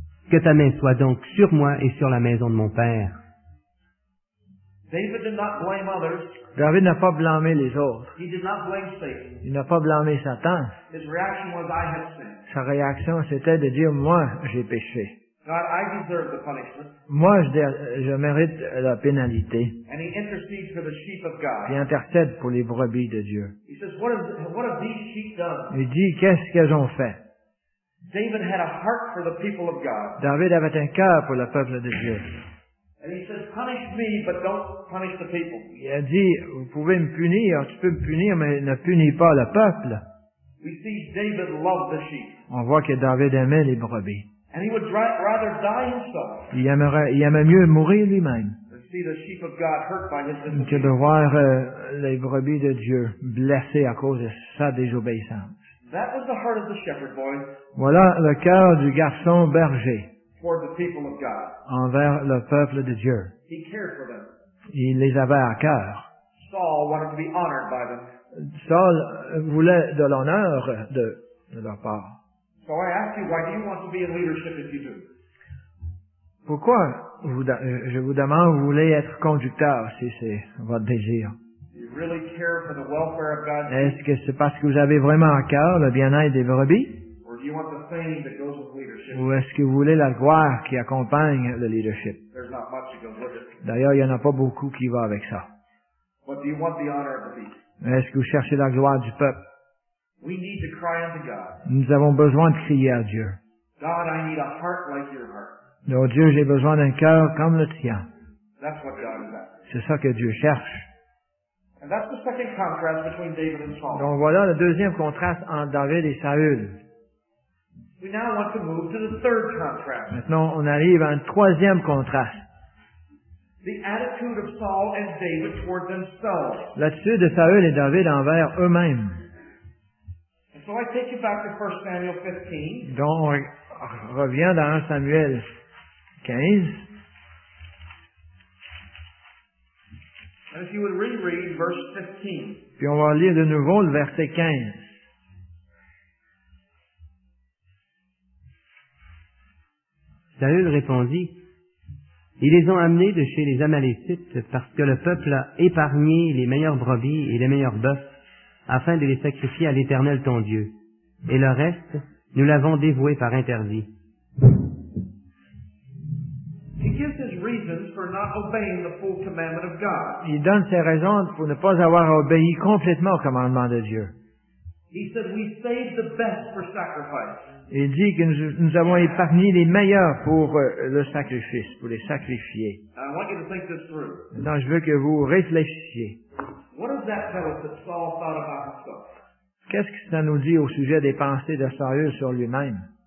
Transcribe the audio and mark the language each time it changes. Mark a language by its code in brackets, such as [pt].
[fr] Que ta main soit donc sur moi et sur la maison de mon père. [en] David, did not blame others. [fr] David n'a pas blâmé les autres. [en] He did not blame Satan. [fr] Il n'a pas blâmé Satan. [en] His reaction was, I have sinned. [fr] Sa réaction, c'était de dire, moi, j'ai péché. [en] God, I deserve the punishment. [fr] Moi, je mérite la pénalité. [en] And he intercedes for the sheep of God. [fr] Il intercède pour les brebis de Dieu. [en] He says, what have these sheep done? [fr] Il dit, qu'est-ce qu'elles ont fait? [en] David had a heart for the people of God. [fr] David avait un cœur pour le peuple de Dieu. [en] And he says, punish me, but don't punish the people. [fr] Il a dit, vous pouvez me punir, tu peux me punir, mais ne punis pas le peuple. [en] We see David loved the sheep. [fr] On voit que David aimait les brebis. [en] And he would rather die himself. [fr] Il aimait mieux mourir lui-même. [en] See the sheep of God hurt by his disobedience. [fr] Que de voir les brebis de Dieu blessées à cause de sa désobéissance. [en] That was the heart of the shepherd boy. [fr] Voilà le cœur du garçon berger. [en] Toward the people of God. [fr] Envers le peuple de Dieu. [en] He cared for them. [fr] Il les avait à cœur. [en] Saul wanted to be honored by them. [fr] Saul voulait de l'honneur de leur part. [en] So I ask you, why do you want to be in leadership if you do? [fr] Pourquoi, je vous demande, vous voulez être conducteur si c'est votre désir? [en] Do you really care for the welfare of God's sheep? [fr] Est-ce que c'est parce que vous avez vraiment à cœur le bien-être des brebis? [en] Or do you want the fame that goes with leadership? [fr] Ou est-ce que vous voulez la gloire qui accompagne le leadership? [en] There's not much that goes with it. [fr] D'ailleurs, il n'y en a pas beaucoup qui va avec ça. [en] But do you want the honor of the people? [fr] Est-ce que vous cherchez la gloire du peuple? [en] We need to cry unto God. [fr] Nous avons besoin de crier à Dieu. [en] God, I need a heart like your heart. [fr] Oh Dieu, j'ai besoin d'un cœur comme le tien. [en] That's what God is at. [fr] C'est ça que Dieu cherche. [en] And that's the second contrast between David and Saul. [fr] Donc voilà le deuxième contraste entre David et Saül. [en] We now want to move to the third contrast. [fr] Maintenant, on arrive à un troisième contraste. [en] The attitude of Saul and David toward themselves. [fr] L'attitude de Saül et David envers eux-mêmes. [en] So I take you back to 1 Samuel 15. [fr] Donc, on revient dans 1 Samuel 15. [en] And if you would reread verse 15. [fr] Puis on va lire de nouveau le verset 15. Saül répondit, ils les ont amenés de chez les Amalécites parce que le peuple a épargné les meilleures brebis et les meilleurs bœufs afin de les sacrifier à l'Éternel ton Dieu. Et le reste, nous l'avons dévoué par interdit. [en] He gives his reasons for not obeying the full commandment of God. [fr] Il donne ses raisons pour ne pas avoir obéi complètement au commandement de Dieu. [en] He said, we saved the best for sacrifice. [fr] Il dit que nous avons épargné les meilleurs pour le sacrifice, pour les sacrifier. [en] I want you to think this through. [fr] Maintenant, je veux que vous réfléchissiez. [en] What does that tell us that Saul thought about himself? [fr] Qu'est-ce que ça nous dit au sujet des pensées de Saül sur lui-même?